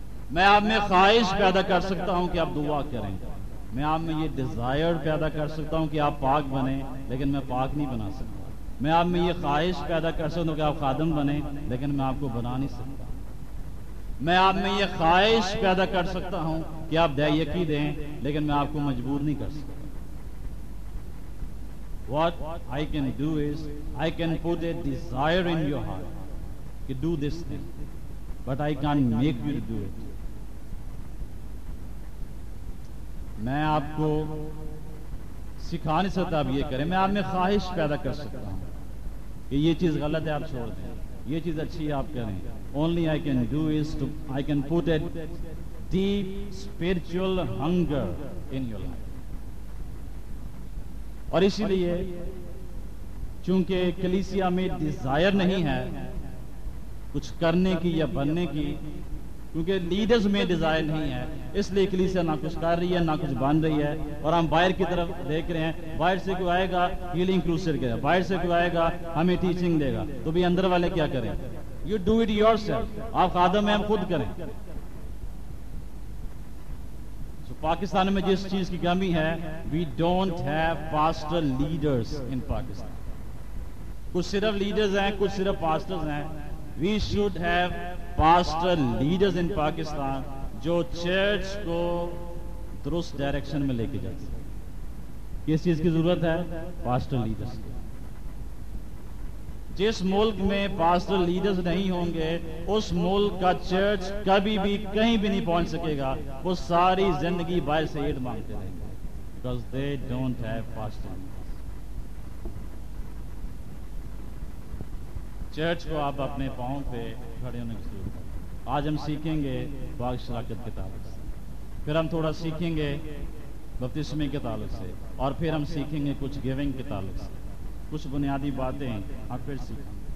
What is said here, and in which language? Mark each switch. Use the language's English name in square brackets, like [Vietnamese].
[Urdu] میں آپ میں خواہش پیدا کر سکتا ہوں کہ آپ دعا کریں، میں آپ میں یہ ڈیزائر پیدا کر سکتا ہوں کہ آپ پاک بنیں لیکن میں پاک نہیں بنا سکتا. میں آپ میں یہ خواہش پیدا کر سکتا ہوں کہ آپ خادم بنیں لیکن میں آپ کو بنا نہیں سکتا. میں آپ میں یہ خواہش پیدا کر سکتا ہوں کہ آپ دہیقی دیں لیکن میں آپ کو مجبور نہیں کر سکتا. [English] What I can do is I can put a desire in your heart to do this thing, but I can't make you do it. [Urdu] میں آپ کو سکھا نہیں سکتا آپ یہ کریں. میں آپ میں خواہش پیدا کر سکتا ہوں کہ یہ چیز غلط ہے آپ چھوڑ دیں، یہ چیز اچھی ہے آپ کریں. [English] Only I can do is to I can put a deep spiritual hunger in your life. [Urdu] اور اسی لیے چونکہ کلیسیا میں ڈیزائر نہیں ہے کچھ کرنے کی یا بننے کی، کیونکہ لیڈرز میں ڈیزائر نہیں ہے، اس لیے کلیسیا نہ کچھ کر رہی ہے نہ کچھ بن رہی ہے. اور ہم باہر کی طرف دیکھ رہے ہیں، باہر سے کوئی آئے گا ہیلنگ کروسر کرے، باہر سے کوئی آئے گا ہمیں ٹیچنگ دے گا، تو بھی اندر والے کیا کریں؟ [English] You do it yourself. [Urdu] آپ خادم ہیں، ہم خود کریں. پاکستان میں جس چیز کی کمی ہے، [English] We don't have pastor leaders in Pakistan. [Urdu] کچھ صرف لیڈرز ہیں، کچھ صرف پاسٹرز ہیں. [English] we should have pastor leaders in Pakistan [Urdu] جو چرچ کو درست ڈائریکشن میں لے کے جا سکے. کس چیز کی ضرورت ہے؟ Pastor leaders. جس ملک میں پاسٹر لیڈرز نہیں ہوں گے اس ملک کا چرچ کبھی بھی کہیں بھی نہیں پہنچ سکے گا، وہ ساری زندگی باہر سے ایڈ مانگتے رہیں گے. [English] Because they don't have pastor. [Urdu] Church کو آپ اپنے پاؤں پہ کھڑے ہونے کی ضرورت ہے. آج ہم سیکھیں گے باغ شراکت کے تعلق سے، پھر ہم تھوڑا سیکھیں گے بپتسمے کے تعلق سے، اور پھر ہم سیکھیں گے کچھ گیونگ کے تعلق سے. کچھ بنیادی باتیں آپ پھر سیکھیں.